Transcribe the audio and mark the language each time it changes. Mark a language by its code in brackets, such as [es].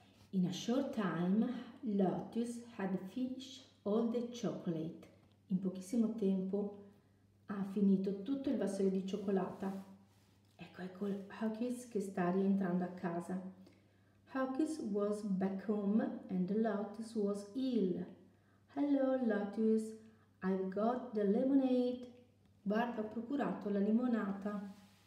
[en] In a short time, Lotus had finished all the chocolate. [it] In pochissimo tempo ha finito tutto il vassoio di cioccolata. Ecco Hocus che sta rientrando a casa. [en] Hocus was back home and Lotus was ill. Hello, Lotus, I've got the lemonade. [it] Guarda, ho procurato la limonata.